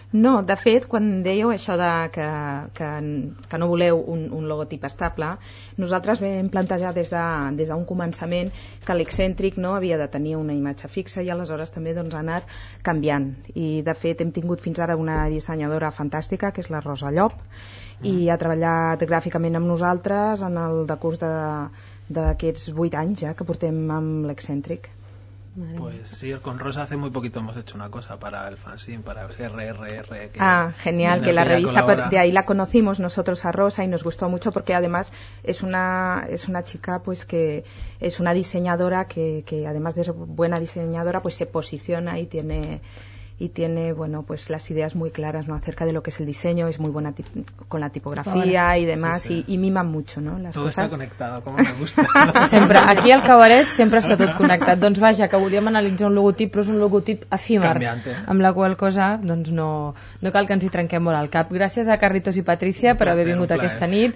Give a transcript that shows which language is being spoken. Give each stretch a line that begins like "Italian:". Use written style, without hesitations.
Catalan: No, de fet, quan dèieu això de que no voleu un logotip estable, nosaltres vam plantejar des d'un començament que l'Excèntric no havia de tenir una imatge fixa i aleshores també doncs, anar canviant. I de fet hem tingut fins ara una dissenyadora fantàstica, que és la Rosa Llop, i ha treballat gràficament amb nosaltres en el decurs d'aquests 8 anys ja que portem amb l'Excèntric.
Spanish: Pues sí, con Rosa hace muy poquito hemos hecho una cosa para el fanzine, para el GRRR. Genial, que la revista, de ahí la conocimos nosotros a Rosa y nos gustó mucho porque además es una chica pues que es una diseñadora que además de ser buena diseñadora pues se posiciona y tiene bueno pues las ideas muy claras, ¿no?, acerca de lo que es el diseño. Es muy buena con la tipografía y demás, sí. Y mima mucho, ¿no?, las todo cosas. Está conectado, como me gusta. Siempre aquí al cabaret siempre está todo conectado.
Catalan: Doncs vaja, que volíem analitzar un logotip, però és un logotip efímer, amb la qual cosa doncs no cal que ens hi trenquem molt al cap. Gràcies a Carlitos i Patricia per haver vingut aquesta nit.